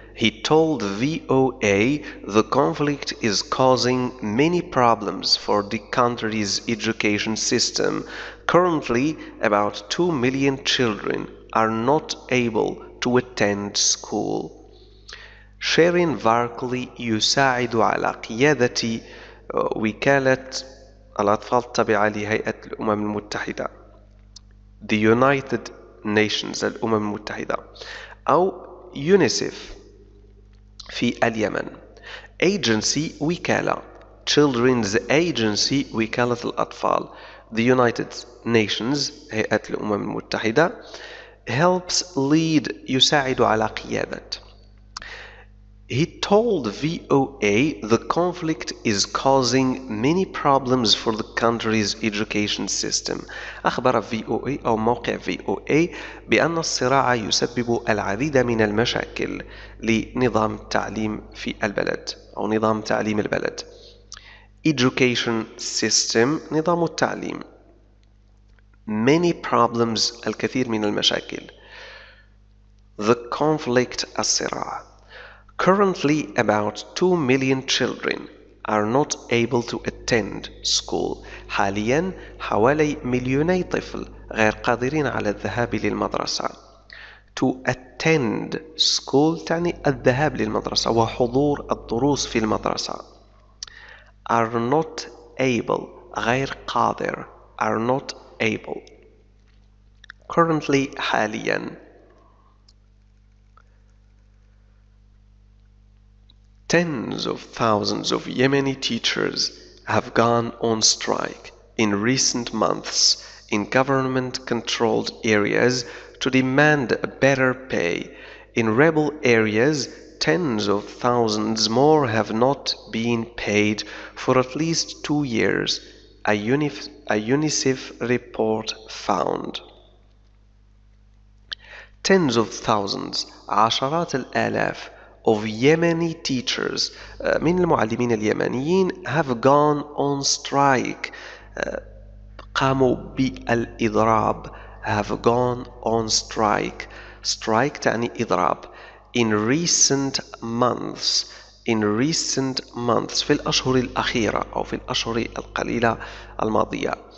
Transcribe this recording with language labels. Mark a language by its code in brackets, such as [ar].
[en] He told VOA the conflict is causing many problems for the country's education system. Currently, about 2 million children are not able to attend school. [ar] شيرين فاركلي يساعد على قيادة وكالة الأطفال التابعة لهيئة الأمم المتحدة [en] The United Nations [ar] الأمم المتحدة أو UNICEF في اليمن Agency وكالة [en] Children's Agency [ar] وكالة الأطفال The United Nations هيئة الأمم المتحدة [en] helps lead [ar] يساعد على قيادة [en] He told VOA the conflict is causing many problems for the country's education system. [ar] أخبر VOA أو موقع VOA بأن الصراع يسبب العديد من المشاكل لنظام التعليم في البلد أو نظام تعليم البلد. [en] Education system [ar] نظام التعليم. [en] Many problems [ar] الكثير من المشاكل. [en] The conflict [ar] الصراع. [en] Currently, about 2 million children are not able to attend school. [ar] حالياً حوالي مليوني طفل غير قادرين على الذهاب للمدرسة. [en] To attend school [ar] تعني الذهاب للمدرسة وحضور الدروس في المدرسة. [en] Are not able [ar] غير قادر. [en] Are not able. Currently, [ar] حالياً. [en] Tens of thousands of Yemeni teachers have gone on strike in recent months in government-controlled areas to demand a better pay. In rebel areas, tens of thousands more have not been paid for at least 2 years, a UNICEF report found. Tens of thousands, [ar] عشرات الآلاف, [en] of Yemeni teachers [ar] من المعلمين اليمنيين [en] have gone on strike [ar] قاموا بالإضراب [en] have gone on strike strike [ar] تعني إضراب [en] in recent months [ar] في الأشهر الأخيرة أو في الأشهر القليلة الماضية